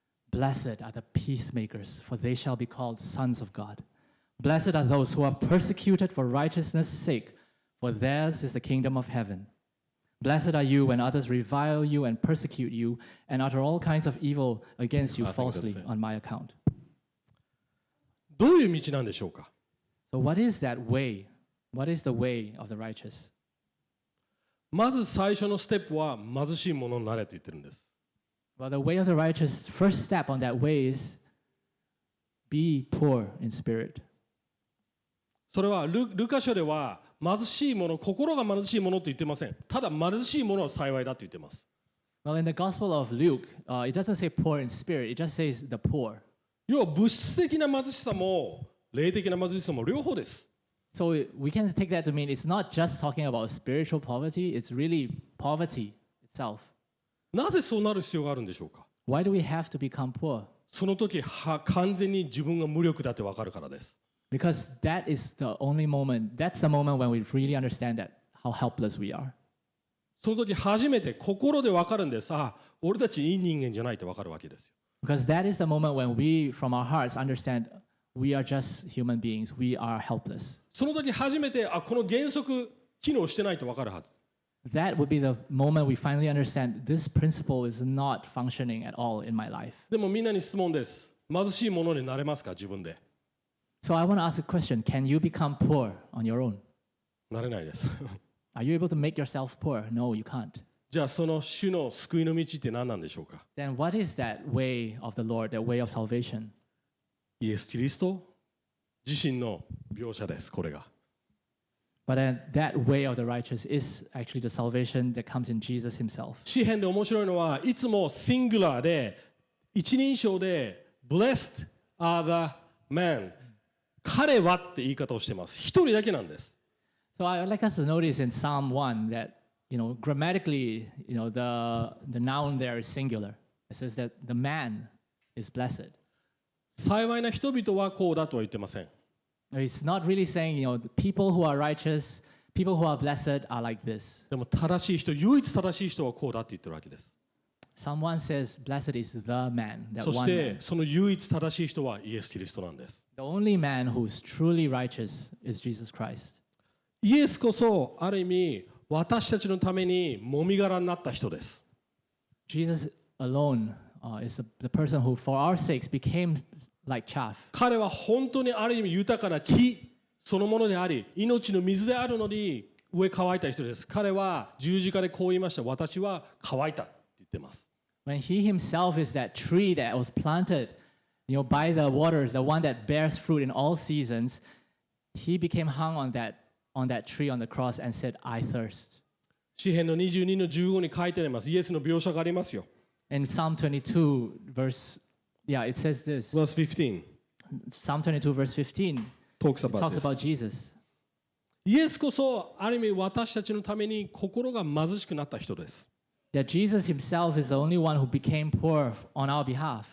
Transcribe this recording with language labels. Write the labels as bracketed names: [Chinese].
[English] Blessed are the peacemakers, for they shall be called sons of God. Blessed are those who are persecuted for righteousness' sake, for theirs is the kingdom of heaven. Blessed are you when others revile you and persecute you and utter all kinds of evil against you falsely on my account. [Japanese] どういう道なんでしょうか? [English] So what is that way? What is the way of the righteous? [Japanese] まず最初のステップは貧しいものになれと言ってるんです。 [English] But the way of the righteous, first step on that way is be poor in spirit. [Japanese] それはルカ書では貧しいもの、心が貧しいものと言ってません。ただ貧しいものは幸いだと言ってます。 [English] Well, in the Gospel of Luke, it doesn't say poor in spirit, it just says the poor. [Japanese] 要は物質的な貧しさも霊的な貧しさも両方です。 [English] So we can take that to mean it's not just talking about spiritual poverty, it's really poverty itself. [Japanese] なぜそうなる必要があるんでしょうか? [English] Why do we have to become poor? [Japanese] その時は完全に自分が無力だって分かるからです。 [English] Because that is the only moment, that's the moment when we really understand that how helpless we are. [Japanese] その時初めて心で分かるんです。ああ、俺たちいい人間じゃないって分かるわけですよ。 [English] Because that is the moment when we, from our hearts, understand we are just human beings, we are helpless. [Japanese] その時初めて、あ、この原則機能してないって分かるはず。 [English] That would be the moment we finally understand this principle is not functioning at all in my life. [Japanese] でもみんなに質問です。貧しいものになれますか、自分で。 [English] So I want to ask a question. Can you become poor on your own? [Japanese] なれないです。 [English] Are you able to make yourself poor? No, you can't. [Japanese] じゃあその主の救いの道って何なんでしょうか? [English] Then what is that way of the Lord, that way of salvation? [Japanese] イエス・キリスト自身の描写です、これが。 [English] But then that way of the righteous is actually the salvation that comes in Jesus himself. [Japanese] 詩編で面白いのは、いつもシングラーで、一人称で、 [English] Blessed are the men. [Japanese] 彼はって言い方をしてます。一人だけなんです。 [English] So I'd like us to notice in Psalm 1 that, you know, grammatically, you know, the noun there is singular. It says that the man is blessed. [Japanese] 幸いな人々はこうだとは言ってません。 [English] It's not really saying, you know, the people who are righteous, people who are blessed are like this. [Japanese] でも正しい人、唯一正しい人はこうだって言ってるわけです。 [English] Psalm 1 says, blessed is the man, that one man. [Japanese] そしてその唯一正しい人はイエス・キリストなんです。 [English] The only man who's truly righteous is Jesus Christ. [Japanese] イエスこそある意味私たちのためにもみ殻になった人です。 [English] Jesus alone, is the person who for our sakes became like chaff. [Japanese] 彼は本当にある意味豊かな木そのものであり、命の水であるのに上乾いた人です。彼は十字架でこう言いました。私は乾いた。 [English] When he himself is that tree that was planted, you know, by the waters, the one that bears fruit in all seasons, he became hung on that tree on the cross and said, I thirst. [Japanese] 詩篇の22の15に書いてあります。イエスの描写がありますよ。 [English] In Psalm 22 verse, yeah, it says this. Verse 15. Psalm 22 verse 15 talks about Jesus. [Japanese] イエスこそある意味私たちのために心が貧しくなった人です。 [English] That Jesus himself is the only one who became poor on our behalf.